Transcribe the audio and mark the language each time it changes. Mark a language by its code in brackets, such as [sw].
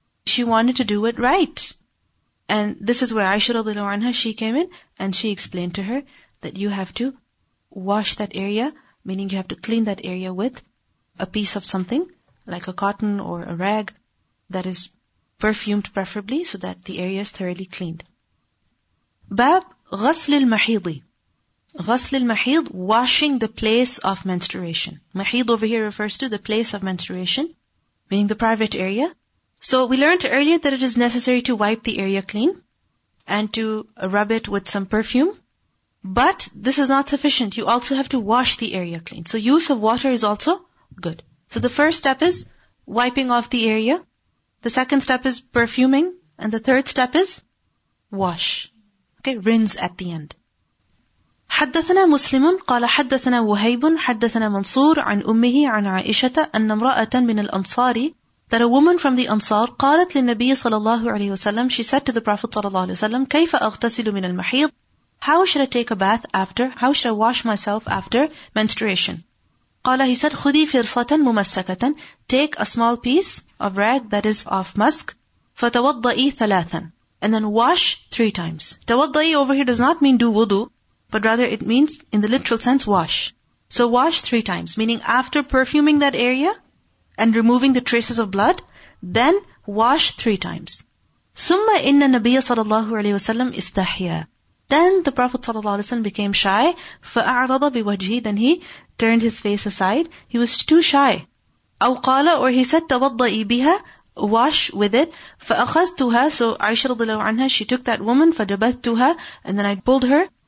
[en] She wanted to do it right. And this is where Aisha radhiallahu anha, she came in and she explained to her that you have to wash that area, meaning you have to clean that area with a piece of something like a cotton or a rag that is perfumed preferably, so that the area is thoroughly cleaned. [ar] Bab غسل المحيض. غسل المحيض, [en] washing the place of menstruation. محيض over here refers to the place of menstruation, meaning the private area. So we learned earlier that it is necessary to wipe the area clean and to rub it with some perfume. But this is not sufficient. You also have to wash the area clean. So use of water is also good. So the first step is wiping off the area. The second step is perfuming. And the third step is wash. Okay, rinse at the end. [ar] حدثنا مسلم قال حدثنا وهيب حدثنا منصور عن أمه عن عائشة أن امرأة من الأنصار [en] that a woman from the Ansar [ar] قالت للنبي صلى الله عليه وسلم, [en] she said to the Prophet [ar] صلى الله عليه وسلم, كيف أغتسل من المحيض, [en] how should I take a bath after, how should I wash myself after menstruation. [ar] قال, [en] he said, [ar] خذي فرصة ممسكة, [en] take a small piece of rag that is of musk, [ar] فتوضئي ثلاثا, [en] and then wash three times. توضئي over here does not mean do wudu, but rather it means, in the literal sense, wash. So wash three times, meaning after perfuming that area and removing the traces of blood, then wash three times. [ar] ثم إن النبي صلى الله عليه وسلم استحيا. [en] Then the Prophet صلى الله عليه وسلم became shy. [ar] فأعرض بوجهه. [en] Then he turned his face aside. He was too shy. [ar] أو قال, [en] or he said, [ar] توضئي بها, [en] wash with it. [ar] فأخذتها. [en] So Aisha رضي الله عنها, she took that woman. [ar] فجبثتها. [en] And then I pulled her.